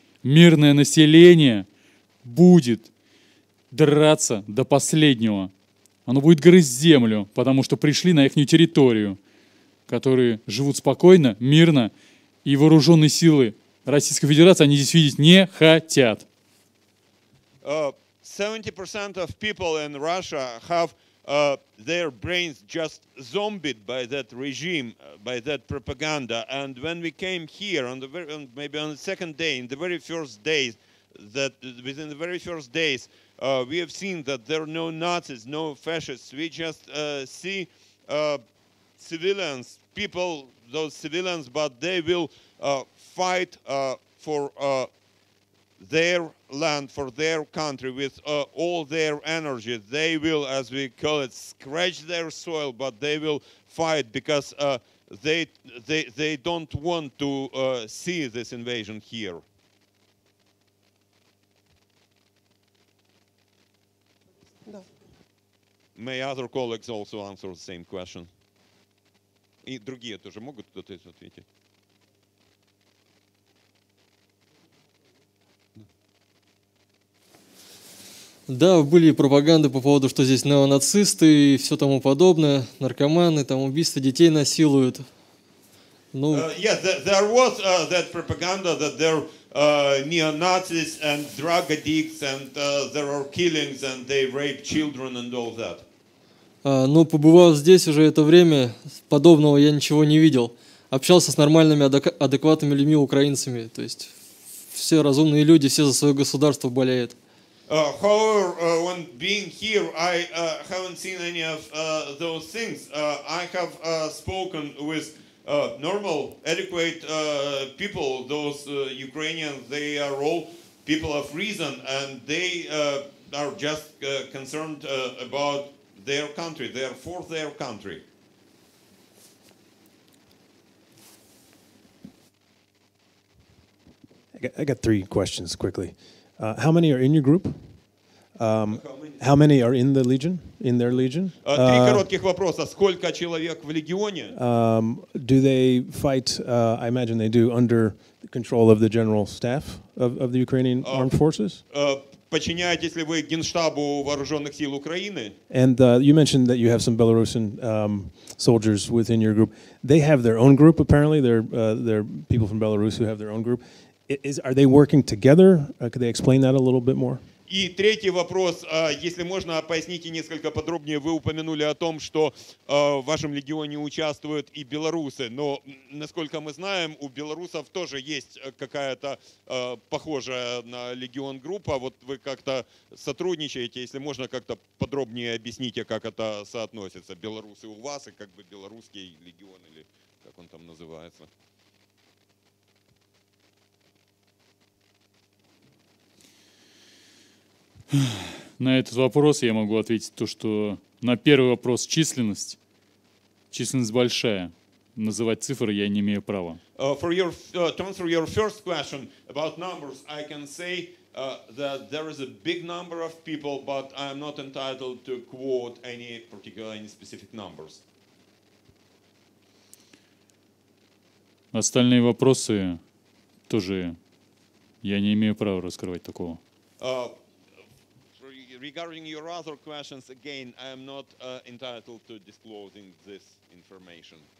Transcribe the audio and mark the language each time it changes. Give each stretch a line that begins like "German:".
Russian: Мирное население будет драться до последнего. Оно будет грызть землю, потому что пришли на их территорию, которые живут спокойно, мирно, и вооруженные силы Российской Федерации они здесь видеть не хотят.
English: 70% of people in Russia have their brains just zombied by that regime, by that propaganda. And when we came here, on the very, maybe on the second day, in the very first days, that within the very first days, we have seen that there are no Nazis, no fascists. We just see civilians, people, those civilians, but they will fight for their land, for their country, with all their energy. They will, as we call it, scratch their soil, but they will fight because they don't want to see this invasion here. May other colleagues also answer the same question?
Russian: И другие тоже могут кто-то из ответить? Да, были пропаганды по поводу, что здесь неонацисты и все тому подобное, наркоманы, там убийства детей насилуют. Ну.
English: There was that propaganda that there are neo-Nazis and drug addicts and there are killings and they rape children and all that.
Russian: Но побывав здесь уже это время, подобного я ничего не видел. Общался с нормальными, адекватными людьми, украинцами. То есть все разумные люди, все за свое государство болеют.
English: However, when being here, I haven't seen any of those things. I have spoken with normal, adequate people. Those Ukrainians, they are all people of reason. And they are just concerned about their country, they are for their country. I got three questions quickly. How many are in your group? How many are in the Legion, in their Legion?
Russian: Три коротких вопроса. Сколько человек в Легионе?
English: Do they fight, I imagine they do, under the control of the general staff of the Ukrainian armed forces?
Russian: Подчиняетесь ли вы Генштабу Вооруженных сил Украины?
English: And you mentioned that you have some Belarusian soldiers within your group. They have their own group, apparently. They're people from Belarus who have their own group. Are they working together? Could they explain that a little bit more?
Russian: И третий вопрос. Если можно, поясните несколько подробнее. Вы упомянули о том, что в вашем легионе участвуют и белорусы. Но, насколько мы знаем, у белорусов тоже есть какая-то похожая на легион группа. Вот вы как-то сотрудничаете. Если можно, как-то подробнее объясните, как это соотносится. Белорусы у вас и как бы белорусский легион, или как он там называется. На этот вопрос я могу ответить то, что на первый вопрос численность большая. Называть цифры я не имею права.
English: For your, to answer your first question about numbers, I can say that there is a big number of people, but I am not entitled to quote any particular, any specific numbers.
Russian: Остальные вопросы тоже я не имею права раскрывать такого.
English: Regarding your other questions, again, I am not entitled to disclosing this information.